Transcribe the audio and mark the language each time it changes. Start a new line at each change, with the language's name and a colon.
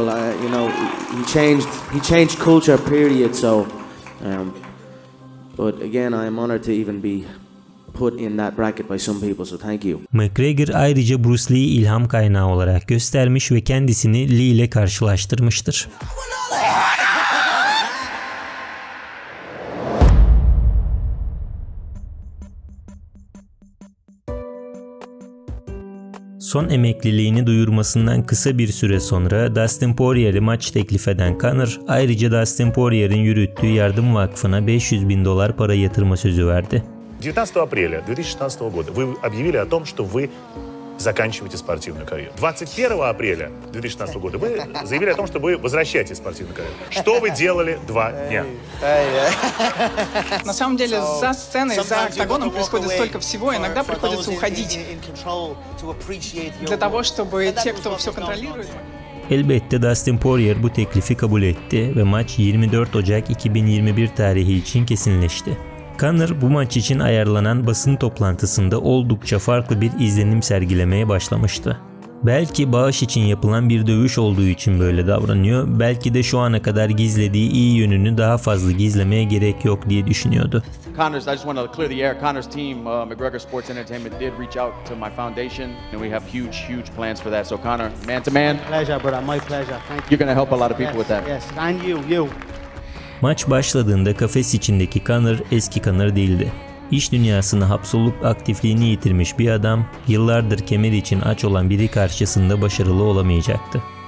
English: You know, he changed culture period, so but again I am honored to even be put in that bracket by some people, so thank you.
Turkish: McGregor ayrıca Bruce Lee'yi ilham kaynağı olarak göstermiş ve kendisini Lee ile karşılaştırmıştır. Son emekliliğini duyurmasından kısa bir süre sonra Dustin Poirier'i maç teklif eden Conor, ayrıca Dustin Poirier'in yürüttüğü yardım vakfına $500,000 para yatırma sözü verdi.
Russian: 19 апреля 2016 года вы объявили о том, что вы заканчиваете спортивную карьеру. 21 апреля 2016 года вы заявили о том, что вы возвращаетесь в спортивную карьеру. Что вы делали два дня? На самом деле за сценой, за октагоном происходит столько всего, иногда приходится уходить для того, чтобы те, кто все контролирует...
Turkish: Elbette Dustin Poirier bu teklifi kabul etti ve maç 24 Ocak 2021 tarihi için kesinleşti. Conor bu maç için ayarlanan basın toplantısında oldukça farklı bir izlenim sergilemeye başlamıştı. Belki bağış için yapılan bir dövüş olduğu için böyle davranıyor, belki de şu ana kadar gizlediği iyi yönünü daha fazla gizlemeye gerek yok diye düşünüyordu.
English: Conor's, I just want to clear the air. Conor's team, McGregor Sports Entertainment, did reach out to my foundation, and we have huge, huge plans for that. So Conor, man to man. Pleasure, brother. My pleasure. Thank you. You're going to help a lot of people with that. Yes, and you.
Turkish: Maç başladığında kafes içindeki Conor eski Conor değildi. İş dünyasına hapsolup aktifliğini yitirmiş bir adam, yıllardır kemer için aç olan biri karşısında başarılı olamayacaktı.